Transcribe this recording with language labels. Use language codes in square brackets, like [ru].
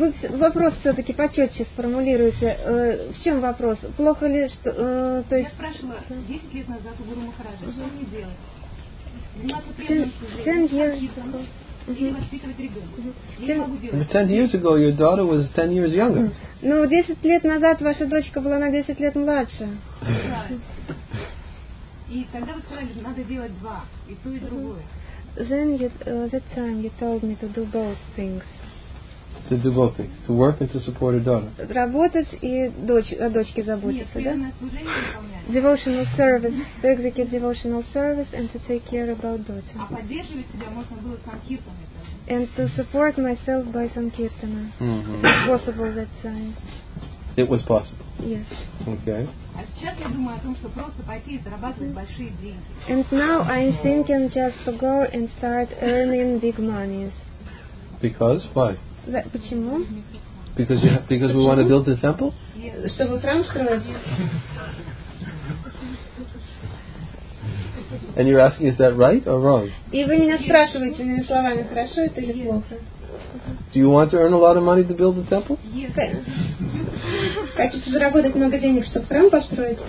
[ru] Вопрос все-таки почетче сформулируется. В чем вопрос? Плохо ли, что... то есть... Я спрашивала 10 лет назад у Гуру Махараджа, что мне делать? 10 лет... [en] Ten years ago, your daughter was 10 years younger. [ru] No, 10 лет назад ваша дочка была на 10 лет младше. И тогда вы сказали, надо делать два, и то и другое. [en] Then you, that time you told me to do both things. To do both things, to work and to support your daughter. [ru] Работать и о дочке заботиться, да? [en] Devotional service, to execute devotional service and to take care about daughter. [ru] А поддерживать себя можно было санкиртаной. [en] And to support myself by санкиртана. Mm-hmm. It was possible that time. It was possible. Yes. Okay. [ru] А сейчас я думаю о том, что просто пойти и зарабатывать большие деньги. [en] And now I'm thinking just to go and start earning big monies. Because? Why? [ru] That, почему? [en] Because you have, because [ru] почему? [en] We want to build the temple? [ru] Чтобы храм строить. [en] And you're asking, is that right or wrong? [ru] И вы меня спрашиваете, иными словами, хорошо это или плохо? [en] Do you want to earn a lot of money to build the temple? Yes. [ru] Хотите заработать много денег, чтобы храм построить?